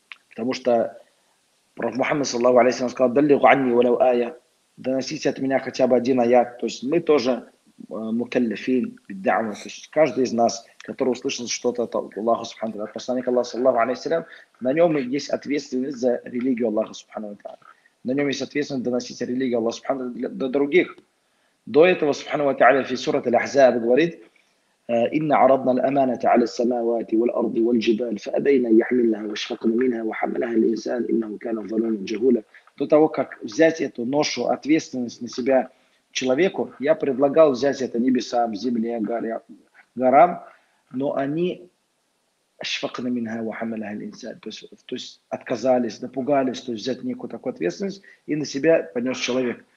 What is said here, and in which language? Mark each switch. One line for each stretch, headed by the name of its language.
Russian: Потому что Пророк Мухаммад, саллаллаху алейхи ва саллям, сказал: «Даллигу анни валяу ая», доносите от меня хотя бы один аят. То есть мы тоже мукаллифин, бидда'ма. То есть каждый из нас, который услышал что-то от Аллаха Субхану Ва Та'аля, от посланника Аллаха, саллаллаху алейхи ва саллям, на нем есть ответственность за религию Аллаха Субхану Ва Та'аля. На нем есть ответственность доносить религию Аллаха Субхану Ва Та'аля до других. До этого Субхану Ва Та'аля в сурат Аль-Ахзаб говорит:
Arabic: إن عرضنا الأمانة على السماوات والأرض والجبال فأبين يحملها وشفقن منها وحملها الإنسان إنه كان ظلوما جهولا.
Russian: До того как взять эту ношу, ответственность на себя человеку, я предлагал взять это небесам, земле, горам, но они
Arabic: شفقن منها وحملها الإنسان.
Russian: То есть отказались, напугались, то есть взять некую такую ответственность и на себя понес человек.